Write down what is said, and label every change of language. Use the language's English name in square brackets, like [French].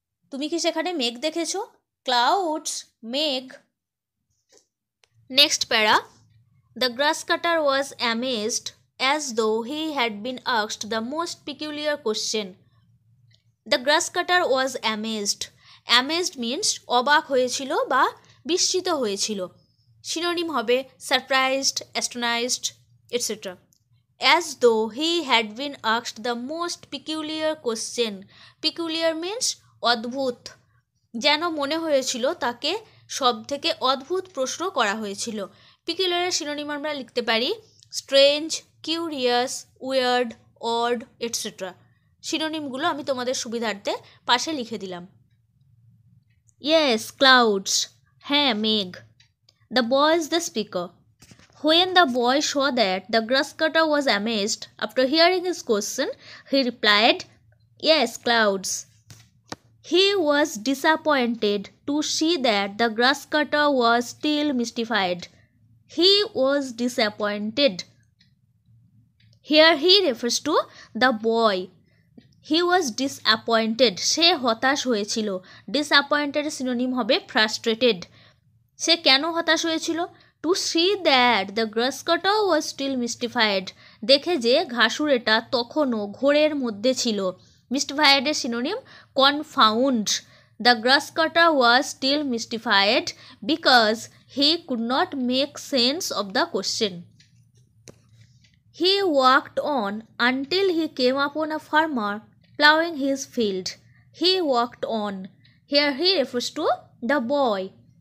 [Bangla] তুমি কি সেখানে মেঘ দেখেছো? Clouds, মেঘ. [English] Next para. The grass cutter was amazed as though he had been asked the most peculiar question. The grass cutter was amazed. Amazed means [Bangla] অবাক হয়েছিল বা বিস্মিত হয়েছিল. [English] Synonym হবে surprised, astonished, etc. As though he had been asked the most peculiar question. Peculiar means অদ্ভুত. [Bangla] যেন মনে হয়েছিল তাকে সব থেকে অদ্ভুত প্রশ্ন করা হয়েছিল. পিকুলিয়ার সিনোনিম আমরা লিখতে পারি strange, curious, weird, odd, etcetera. সিনোনিমগুলো আমি তোমাদের সুবিধার্থে পাশে লিখে দিলাম. [English] yes, clouds, [Bangla] হ্যাঁ মেঘ. [English] The boy is the speaker. When the boy show that the grass cutter was amazed after hearing his question, he replied, yes, clouds. He was disappointed to see that the grass cutter was still mystified. He was disappointed. Here he refers to the boy. He was disappointed. [Bangla] সে হতাশ হয়েছিল. Disappointed synonym হবে frustrated. সে কেন হতাশ হয়েছিল? [English] To see that the grasshopper was still mystified. [Bangla] দেখে যে ঘাসুরেটা তখনও ঘোরের মধ্যে ছিল. Mystified এর synonym confound. [English] The grasshopper was still mystified because he could not make sense of the question. He walked on until he came upon a farmer plowing his field. He walked on. Here he refers to the boy.